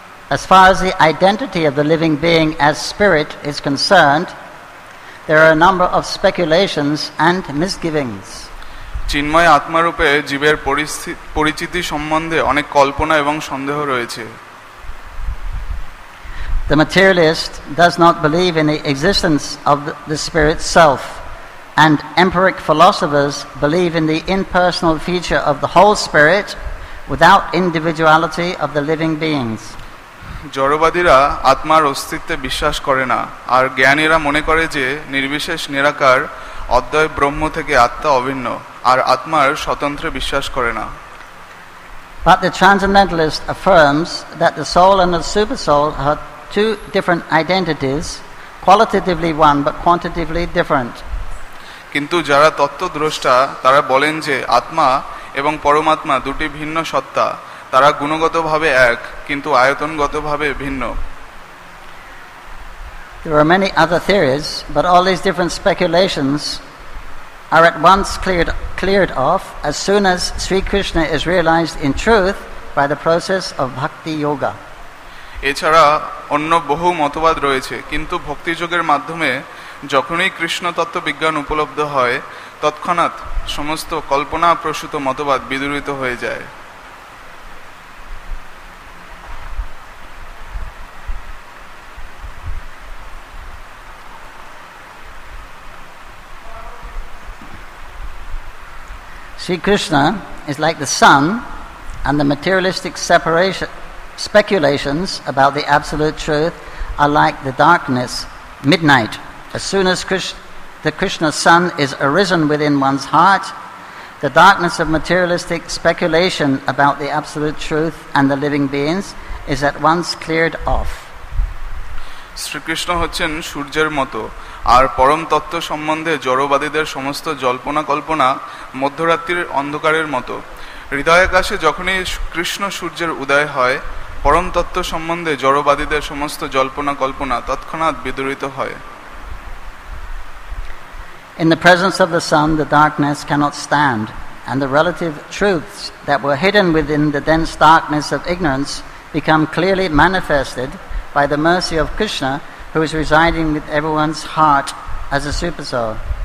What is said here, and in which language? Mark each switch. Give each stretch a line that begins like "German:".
English: As far as the identity of the living being as spirit is concerned, there are a number of speculations and misgivings.
Bangla: চিন্ময় আত্মারূপে জীবের পরিচিতি সম্বন্ধে অনেক কল্পনা এবং সন্দেহ রয়েছে
English: The materialist does not believe in the existence of the spirit self, and empiric philosophers believe in the impersonal feature of the whole spirit without individuality of the living beings.
Bangla: জড়বাদীরা আত্মার অস্তিত্বে বিশ্বাস করে না, আর জ্ঞানীরা মনে করে যে নির্বিশেষ নিরাকার অদ্বয় ব্রহ্ম থেকে আত্মা অভিন্ন, আর আত্মার স্বতন্ত্রে বিশ্বাস করে না।
English: But the transcendentalist affirms that the soul and the supersoul are two different identities, qualitatively one but quantitatively different.
Bangla: কিন্তু যারা তত্ত্বদ্রষ্টা তারা বলেন যে আত্মা এবং পরমাত্মা দুটি ভিন্ন সত্তা, তারা গুণগতভাবে এক কিন্তু আয়তনগতভাবে ভিন্ন।
English: There are many other theories, but all these different speculations are at once cleared off as soon as Sri Krishna is realized in truth by the process of bhakti yoga.
Bangla: এছাড়া অন্য বহু মতবাদ রয়েছে, কিন্তু ভক্তি যোগের মাধ্যমে যখনই কৃষ্ণ তত্ত্ব বিজ্ঞান উপলব্ধ হয়, তৎক্ষণাৎ সমস্ত কল্পনা প্রসূত মতবাদ বিদূরিত হয়ে যায়।
English: Sri Krishna is like the sun, and the materialistic speculations about the absolute truth are like the darkness, midnight. As soon as the Krishna sun is arisen within one's heart, the darkness of materialistic speculation about the absolute truth and the living beings is at once cleared off.
Bangla: Sri Krishna hocchen surjer moto. আর পরম তত্ত্ব সম্বন্ধে জড়বাদীদের সমস্ত জল্পনা কল্পনা মধ্যরাত্রির অন্ধকারের মতো। হৃদয়াকাশে যখনই কৃষ্ণ সূর্যের উদয় হয়, পরম তত্ত্ব সম্বন্ধে জড়বাদীদের সমস্ত জল্পনা কল্পনা তৎক্ষণাৎ বিদূরিত হয়।
English: In the presence of the sun, the darkness cannot stand, and the relative truths that were hidden within the dense darkness of ignorance become clearly manifested by the mercy of Krishna, who is residing with everyone's heart as a supersoul.